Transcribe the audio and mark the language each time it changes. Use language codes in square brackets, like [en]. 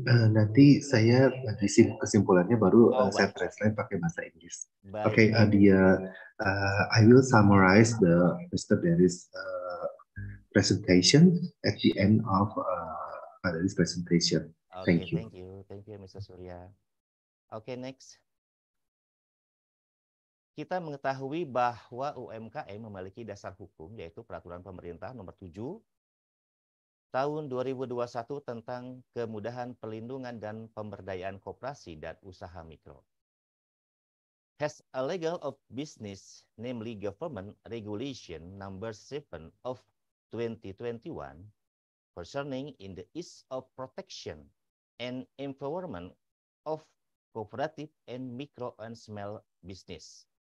[id] Nanti saya isi kesimpulannya baru saya translate pakai bahasa Inggris. [en] Oke, okay, dia I will summarize the Mr. Derris presentation at the end of Derris presentation. Okay, thank you Mr. Surya. Okay, next. [id] Kita mengetahui bahwa UMKM memiliki dasar hukum yaitu Peraturan Pemerintah Nomor 7 Tahun 2021 tentang Kemudahan Pelindungan dan Pemberdayaan Koperasi dan Usaha Mikro. [en] Has a legal of business, namely Government Regulation Number 7 of 2021 concerning in the ease of protection and empowerment of cooperative and micro and small business.